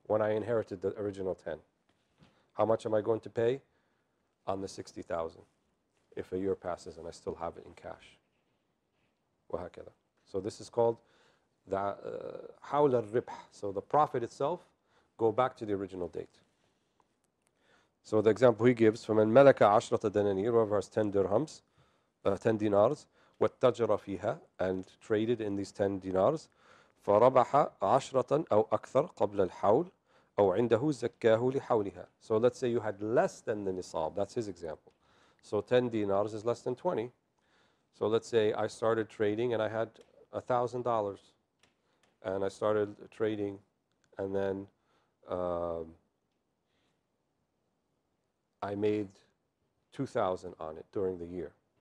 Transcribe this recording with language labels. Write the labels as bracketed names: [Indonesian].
[English] When I inherited the original 10. How much am I going to pay? On the 60,000. If a year passes and I still have it in cash. So this is called the [Arabic] حول الربح, [English] so the profit itself, go back to the original date. So the example he gives, [Arabic] فمن ملك عشرة دنانير, [English] whoever has 10 dirhams, 10 dinars, [Arabic] واتجر فيها, [English] and traded in these 10 dinars, [Arabic] فربح عشرة أو أكثر قبل الحول, أو عنده زكاه لحولها. [English] So let's say you had less than the nisab, that's his example. So 10 dinars is less than 20. So let's say I started trading and I had $1,000. And I started trading and then I made 2,000 on it during the year.